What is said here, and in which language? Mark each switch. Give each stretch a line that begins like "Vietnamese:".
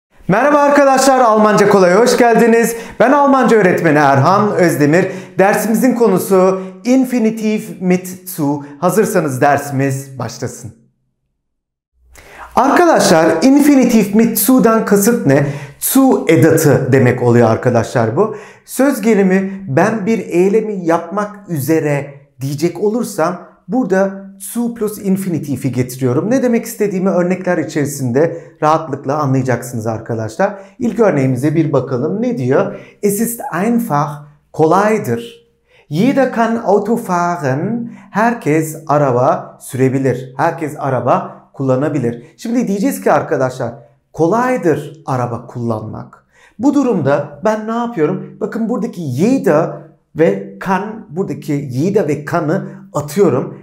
Turkish: Merhaba arkadaşlar, Almanca Kolay'a hoş geldiniz. Ben Almanca öğretmeni Erhan Özdemir. Dersimizin konusu infinitive mit zu. Hazırsanız dersimiz başlasın. Arkadaşlar, infinitive mit zu'dan kasıt ne? Zu edatı demek oluyor arkadaşlar bu. Söz gelimi ben bir eylemi yapmak üzere diyecek olursam burada zu plus infinitive'i getiriyorum. Ne demek istediğimi örnekler içerisinde rahatlıkla anlayacaksınız arkadaşlar. İlk örneğimize bir bakalım. Ne diyor?
German: Es ist einfach,
Turkish: kolaydır.
German: Jeder kann Auto fahren.
Turkish: Herkes araba sürebilir. Herkes araba kullanabilir. Şimdi diyeceğiz ki arkadaşlar, kolaydır araba kullanmak. Bu durumda ben ne yapıyorum? Bakın buradaki jeder ve kann, buradaki jeder ve kann'ı atıyorum.